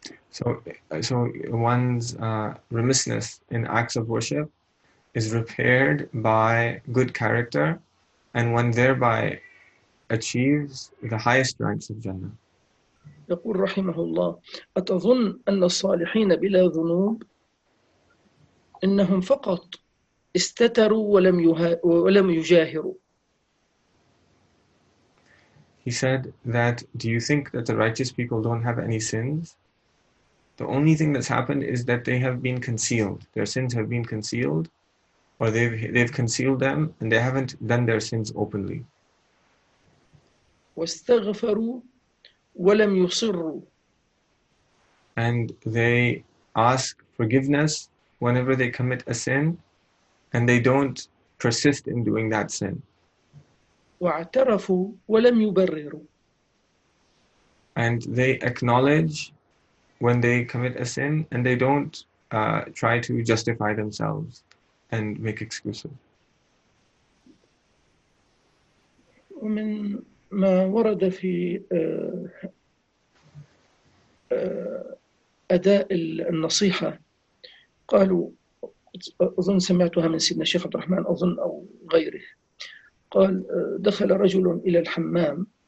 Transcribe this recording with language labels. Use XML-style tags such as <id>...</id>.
<en>So one's remissness in acts of worship is repaired by good character, and one thereby achieves the highest ranks of Jannah.</en> <ar>يقول رحمه الله أتظن أن الصالحين بلا ذنوب إنهم فقط استتروا ولم يجاهروا.</ar> <en>He said that, do you think that the righteous people don't have any sins? The only thing that's happened is that they have been concealed. Their sins have been concealed, or they've concealed them and they haven't done their sins openly.</en> <ar>واستغفروا ولم يصروا.</ar> <en>And they ask forgiveness whenever they commit a sin, and they don't persist in doing that sin.</en> <ar>واعترفوا ولم يبرروا.</ar> <en>And they acknowledge when they commit a sin, and they don't try to justify themselves and make excuses.</en> <ar>ومن ما ورد في أداء النصيحة قالوا أظن سمعتها من سيدنا الشيخ عبد الرحمن أظن أو غيره قال دخل رجل إلى الحمام</ar>